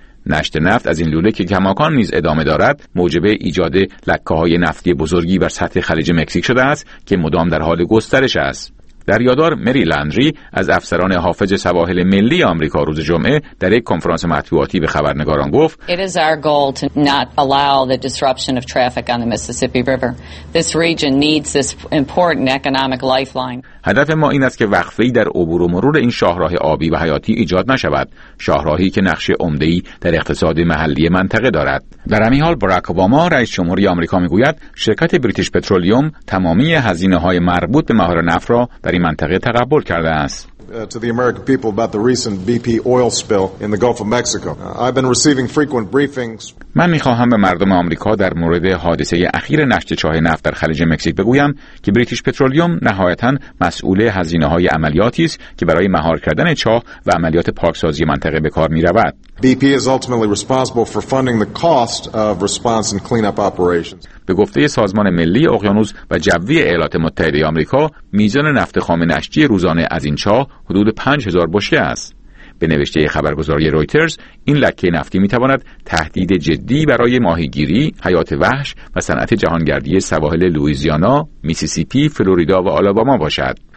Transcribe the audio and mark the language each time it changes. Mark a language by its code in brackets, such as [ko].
[fa] نشت نفت از این لوله که کماکان نیز ادامه دارد، موجب ایجاد لکه‌های نفتی بزرگی بر سطح خلیج مکزیک شده است که مدام در حال گسترش است. دریادار مری لندری از افسران حافظ سواحل ملی آمریکا روز جمعه در یک کنفرانس مطبوعاتی به خبرنگاران گفت: [en] It is our goal to not allow the disruption of traffic on the Mississippi River. This region needs this important economic lifeline. [fa] هدف ما این است که وقفه‌ای در عبور و مرور این شاهراه آبی و حیاتی ایجاد نشود، شاهراهی که نقش عمده‌ای در اقتصاد محلی منطقه دارد. در همین حال باراک اوباما رئیس جمهوری آمریکا میگوید شرکت بریتیش پترولیوم تمامی هزینه‌های مربوط به مهار نفت را در این منطقه تقبل کرده است. [en] To the American people about the recent BP oil spill in the Gulf of Mexico. I've been receiving frequent briefings. [fa] من می‌خواهم به مردم آمریکا در مورد حادثه اخیر نشت چاه نفت در خلیج مکزیک بگویم که بریتیش پترولیوم نهایتاً مسئول هزینه‌های عملیاتی است که برای مهار کردن چاه و عملیات پاکسازی منطقه به کار می‌رود. [en] BP is ultimately responsible for funding the cost of response and cleanup operations. [fa] به گفته سازمان ملی اقیانوس و جوی ایالات متحده آمریکا، میزان نفت خام نشتی روزانه از این چاه حدود 5000 بشکه است. به نوشته خبرگزاری رویترز، این لکه نفتی میتواند تهدید جدی برای ماهیگیری، حیات وحش و صنعت جهانگردی سواحل لوئیزیانا، میسیسیپی، فلوریدا و آلاباما باشد.